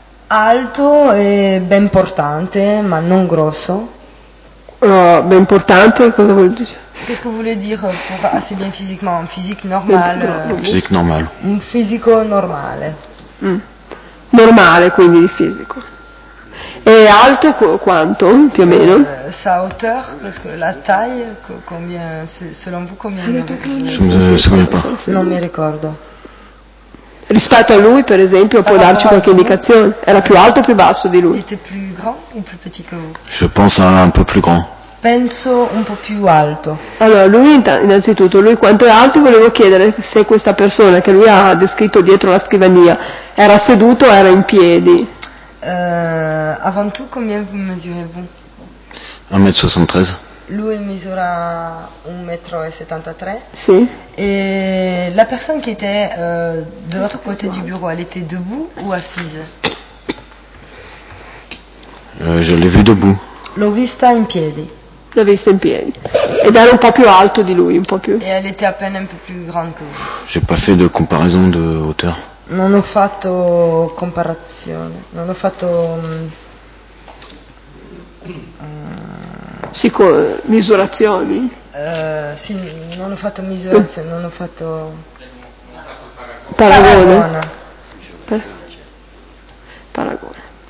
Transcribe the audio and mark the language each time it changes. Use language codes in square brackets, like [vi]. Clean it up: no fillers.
[it] Alto e ben portante, ma non grosso. Ben importante, cosa vuol dire? [fr] Qu'est-ce que vous voulez dire pour assez bien physiquement? Un physique normal? Un physique normal. [it] Un fisico normale. Normale, quindi di fisico. E alto quanto, più o meno? [fr] Sa hauteur, parce que la taille, combien, selon vous, combien di avez? Non [it] mi ricordo. Rispetto a lui, per esempio, può darci qualche indicazione? Era più alto o più basso di lui? [fr] Était plus grand ou plus petit que vous? Je pense un peu plus grand. [it] Penso un po' più alto. Allora, lui innanzitutto, lui quanto è alto? Volevo chiedere se questa persona che lui ha descritto dietro la scrivania era seduto o era in piedi. [fr] Avant tout, combien vous mesurez-vous? 1,63 m. [it] Lui misura 1,73 m. Sì. E la persona che [fr] était de l'autre côté du bureau, elle était debout ou assise? Je l'ai vu debout. [it] L'ho vista in piedi. L'ho vista in piedi. Ed era un po' più alto di lui, un po' più. [fr] E elle était à peine un peu plus grande que vous. J'ai pas fait de comparaison de hauteur. [it] Non ho fatto comparazione. Non ho fatto. Sì, misurazioni. Sì, non ho fatto misurazioni, non ho fatto paragone.